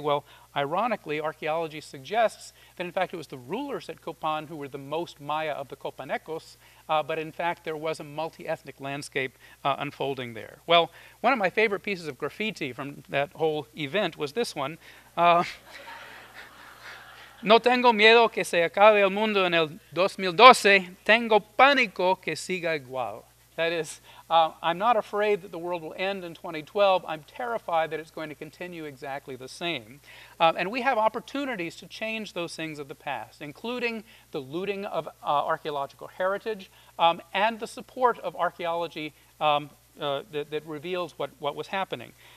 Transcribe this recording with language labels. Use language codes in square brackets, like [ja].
[en] Well, ironically, archaeology suggests that in fact it was the rulers at Copan who were the most Maya of the Copanecos, but in fact there was a multi-ethnic landscape unfolding there. Well, one of my favorite pieces of graffiti from that whole event was this one. [es] No tengo miedo que se acabe el mundo en el 2012. Tengo pánico que siga igual. [en] That is, I'm not afraid that the world will end in 2012. I'm terrified that it's going to continue exactly the same. And we have opportunities to change those things of the past, including the looting of archaeological heritage and the support of archaeology that reveals what was happening.